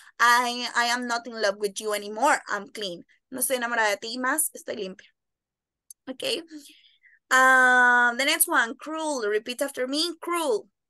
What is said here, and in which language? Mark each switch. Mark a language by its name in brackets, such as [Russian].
[English] I am not in love with you anymore, I'm clean. [Spanish] No estoy enamorada de ti más, estoy limpia. [English] Okay. The next one, cruel, repeat after me, cruel.